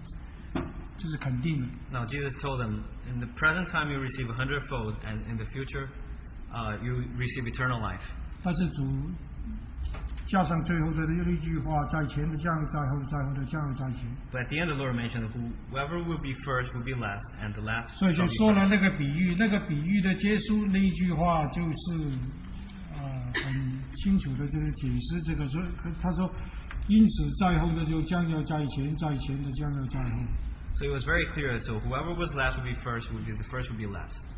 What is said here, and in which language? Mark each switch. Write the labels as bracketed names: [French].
[Chinese] 主耶稣就诚实地告诉他们要得什么今世得百倍来世得永生这是肯定的。 [English] Now Jesus told them, in the present time you receive a hundredfold, and in the future you receive eternal life. [Chinese] 但是主加上最后的一句话在前的将在后的将在前 [English] But at the end the Lord mentioned whoever will be first will be last and the last [Chinese] 所以就说了那个比喻那个比喻的结束那句话就是很清楚的就是解释这个他说因此在后的就将要在前在前的将要在后 [English] So it was very clear so whoever was last will be first will be the first will be last